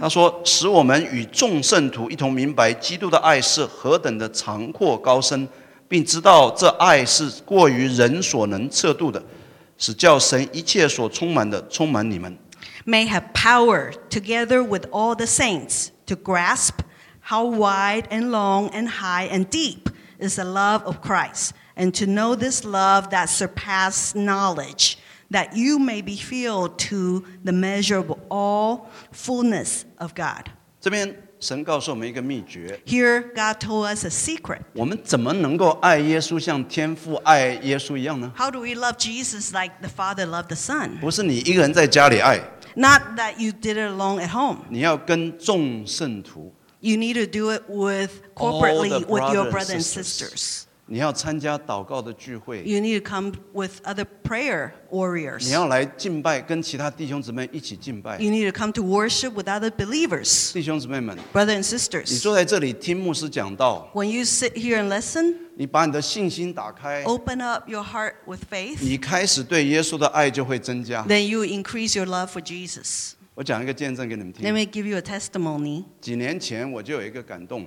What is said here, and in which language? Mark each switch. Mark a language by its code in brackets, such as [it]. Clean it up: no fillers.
[zh] 他说使我们与众圣徒一同明白基督的爱是何等的长阔高深并知道这爱是过于人所能测度的使叫神一切所充满的充满你们 [en] may have power together with all the saints to grasp how wide and long and high and deep is the love of Christ and to know this love that surpasses knowledge, that you may be filled to the measure of all fullness of God. [zh] 这边, 神告诉我们一个秘诀, [en] Here, God told us a secret. [zh] 我们怎么能够爱耶稣像天父爱耶稣一样呢? [en] How do we love Jesus like the Father loved the Son? [zh] 不是你一个人在家里爱, [en] Not that you did it alone at home. [zh] 你要跟众圣徒, [en] you need to do it with corporately with your brothers and sisters. [zh] 你要参加祷告的聚会, [en] you need to come with other prayer warriors. [zh] 你要来敬拜, [en] you need to come to worship with other believers. [zh] 弟兄姊妹们, [en] brothers and sisters. [zh] 你坐在这里听牧师讲道, [en] when you sit here and listen, [zh] 你把你的信心打开, [en] open up your heart with faith. [zh] 你开始对耶稣的爱就会增加, [en] then you increase your love for Jesus. Let me give you a testimony. [zh] 几年前我就有一个感动,